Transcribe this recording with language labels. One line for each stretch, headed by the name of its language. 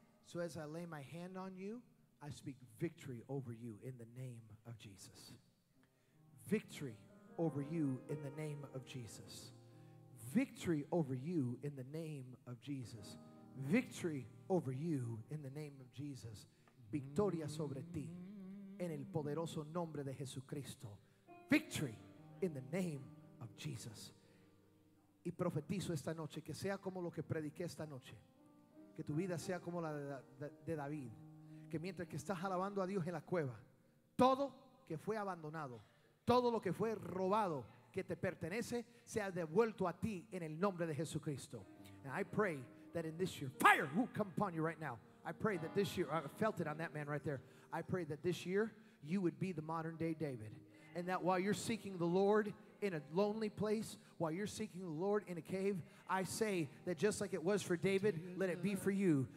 English: So as I lay my hand on you, I speak victory over you in the name of Jesus. Victory over you in the name of Jesus. Victory over you in the name of Jesus. Victory over you in the name of Jesus.
Spanish: Victoria sobre ti en el poderoso nombre de Jesucristo.
English: Victory in the name of Jesus.
Spanish: Y profetizo esta noche que sea como lo que prediqué esta noche. Que tu vida sea como la de David. Que mientras que estás alabando a Dios en la cueva, todo que fue abandonado, todo lo que fue robado, que te pertenece, sea devuelto a ti en el nombre de Jesucristo.
English: And I pray that in this year, fire will come upon you right now. I pray that this year, I felt it on that man right there. I pray that this year you would be the modern day David. And that while you're seeking the Lord in a lonely place, while you're seeking the Lord in a cave, I say that just like it was for David, let it be for you.